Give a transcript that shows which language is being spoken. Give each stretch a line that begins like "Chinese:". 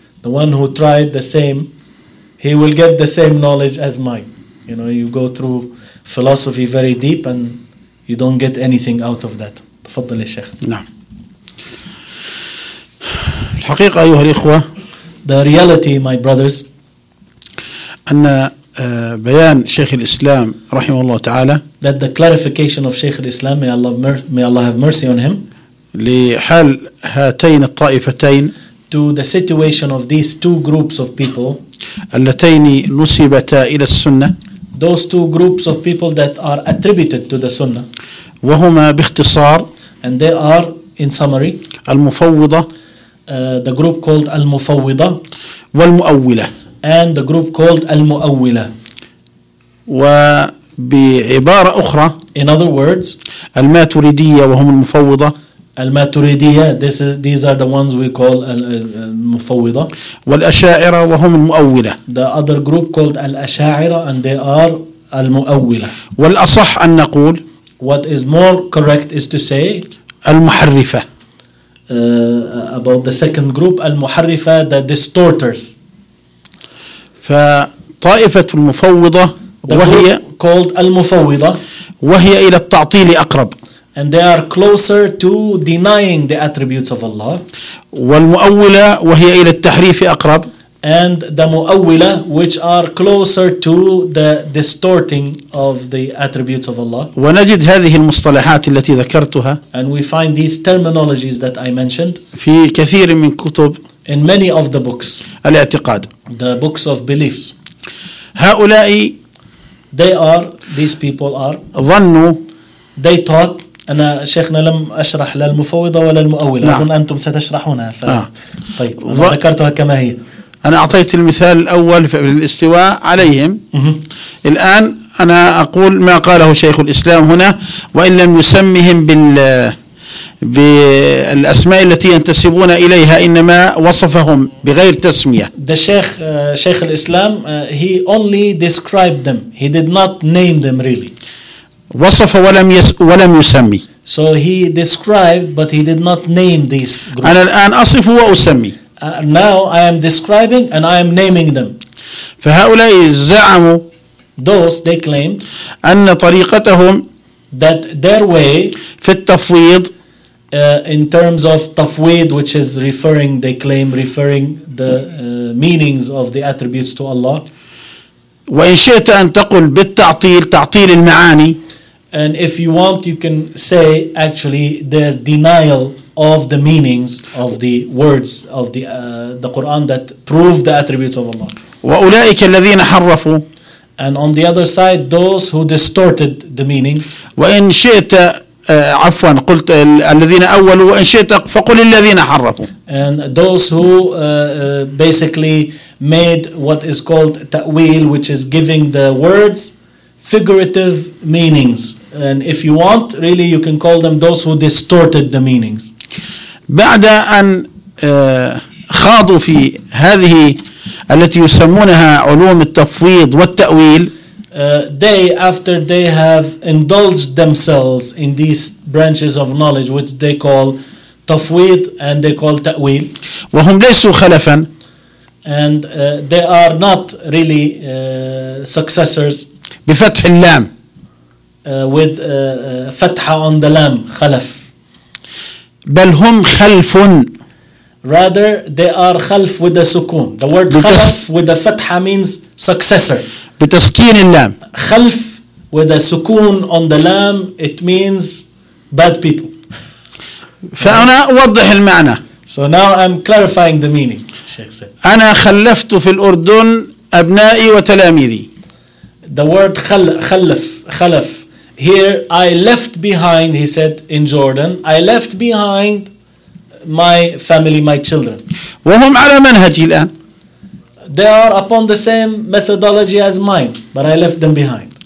English: The one who tried the same, he will get the same knowledge as mine. You know, you go through philosophy very deep and you don't get anything out of that.
Arabic: تفضل يا شيخ. نعم. الحقيقة أيها الإخوة.
English: The reality, my brothers.
Arabic: أن بيان شيخ الإسلام رحمه الله تعالى.
English: That the clarification of شيخ الإسلام, may Allah have mercy on him.
Arabic: لحال هاتين الطائفتين.
English: To the situation of these two groups of people,
Arabic: اللتين نسبتا إلى السنة,
English: those two groups of people that are attributed to the Sunnah,
Arabic: وهما باختصار,
English: and they are in summary,
Arabic: المفوضة,
English: the group called المفوضة,
Arabic: والمؤولة,
English: and the group called المؤولة.
Arabic: وبعبارة أخرى,
English: in other words,
Arabic: الماتريدية وهم المفوضة.
English: الماتريدية, these are the ones we call المفوضة.
Arabic: والأشاعرة وهم المؤولة.
English: The other group called الأشاعرة and they are المؤولة.
Arabic: والأصح أن نقول,
English: what is more correct is to say,
Arabic: المحرفة.
English: About the second group, المحرفة, the distorters.
Arabic: فطائفة المفوضة وهي,
English: called المفوضة,
Arabic: وهي إلى التعطيل أقرب.
English: And they are closer to denying the attributes of Allah.
Arabic: والمؤولة وهي إلى التحريف أقرب.
English: And the مؤولة, which are closer to the distorting of the attributes of Allah.
Arabic: ونجد هذه المصطلحات التي ذكرتها.
English: And we find these terminologies that I mentioned.
Arabic: في كثير من كتب.
English: In many of the books.
Arabic: الاعتقاد.
English: The books of beliefs.
Arabic: هؤلاء.
English: They are. These people are.
Arabic: ظنوا.
English: They thought.
Arabic: أنا شيخنا لم أشرح لا المفوضة ولا المؤولة. نعم. أظن أنتم ستشرحونها. طيب أنا ذكرتها كما هي. أنا أعطيت المثال الأول في الاستواء عليهم. الآن أنا أقول ما قاله شيخ الإسلام هنا, وإن لم يسمهم بالأسماء التي ينتسبون إليها, إنما وصفهم بغير تسمية.
English: The Sheikh, شيخ الإسلام, he only described them. He did not name them really.
Arabic: وصف ولم يسمي.
English: So he described but he did not name these groups.
Arabic: أنا الآن أصف وأسمي.
English: Now I am describing and I am naming them.
Arabic: فهؤلاء زعموا,
English: those they claimed,
Arabic: أن طريقتهم,
English: that their way,
Arabic: في التفويض,
English: In terms of tafweed, which is referring, they claim referring the meanings of the attributes to Allah.
Arabic: وإن شئت أن تقول بالتعطيل, تعطيل المعاني.
English: And if you want, you can say actually their denial of the meanings of the words of the Quran that prove the attributes of Allah.
Arabic: وأولئك الذين حرفوا.
English: And on the other side, those who distorted the meanings.
Arabic: وإن شئت عفوا قلت الذين أولوا وإن شئت فقل الذين حرفوا.
English: And those who basically made what is called تأويل, which is giving the words figurative meanings. And if you want, really, you can call them those who distorted the meanings.
Arabic: بعد أن خاضوا في هذه التي يسمونها علوم التفويض والتأويل.
English: They, after they have indulged themselves in these branches of knowledge, which they call تفويض and they call تأويل.
Arabic: وهم ليسوا خلفا.
English: And they are not really successors.
Arabic: بفتح اللام.
English: With فتحة on the lam, خلف.
Arabic: بل هم خلف.
English: Rather, they are خلف with a سكون. The word خلف with a فتحة means successor.
Arabic: بتسكين اللام.
English: خلف with a سكون on the lam, it means bad people.
Arabic: فأنا أوضح المعنى.
English: So now I'm clarifying the meaning. الشيخ said.
Arabic: أنا خلفت في الأردن أبنائي وتلاميذي.
English: The word خلف. Here I left behind, he said, in Jordan. I left behind my family, my children.
Arabic: وهم على منهجي الآن.
English: They are upon the same methodology as mine, but I left them behind.